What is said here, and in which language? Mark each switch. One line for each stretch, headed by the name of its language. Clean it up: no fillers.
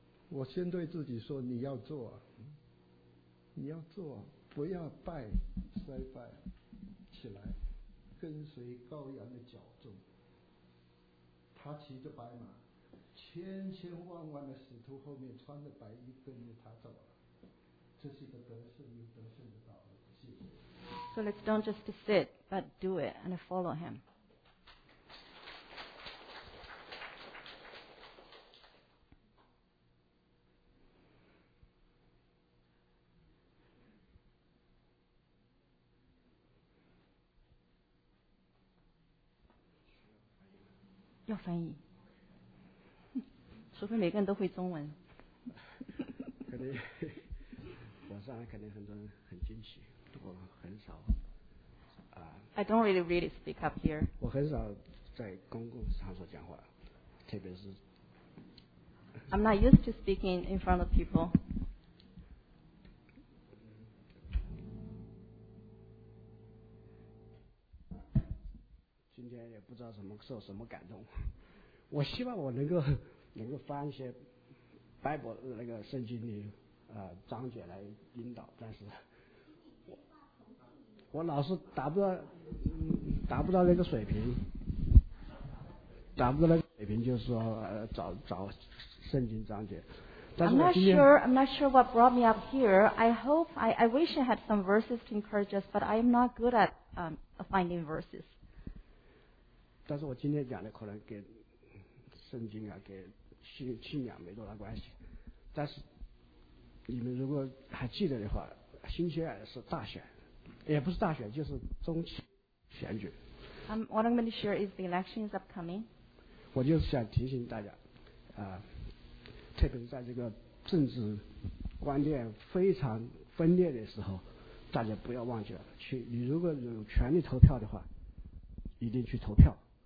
Chinese: 我先对自己说，你要做，你要做，不要拜衰败，起来，跟随羔羊的脚踪，他骑着白马。千千万万的使徒后面穿着白衣跟着他走了，这是一个得胜又得胜的道路。
English: So let's don't just sit, but do it and follow him.
Chinese: 要翻译。除非每个人都会中文，可能网上可能很多人很惊喜，我很少啊。
English: I don't really really speak up here。
Chinese: 我很少在公共场所讲话，特别是。
English: I'm not used to speaking in front of people。
Chinese: 今天也不知道怎么受什么感动，我希望我能够翻一些 Bible 那个圣经的章节来引导，但是我老是达不到那个水平，达不到那个水平，就是说找圣经章节。
English: I'm not sure what brought me up here. I wish I had some verses to encourage us, but I'm not good at finding verses.
Chinese: 但是我今天讲的可能跟圣经啊，跟信仰没多大关系。但是你们如果还记得的话，星期二是大选，也不是大选，就是中期选举。
English: What I'm going to share is the election is upcoming.
Chinese: 我就是想提醒大家，特别是在这个政治观念非常分裂的时候，大家不要忘记了去。你如果有权利投票的话，一定去投票。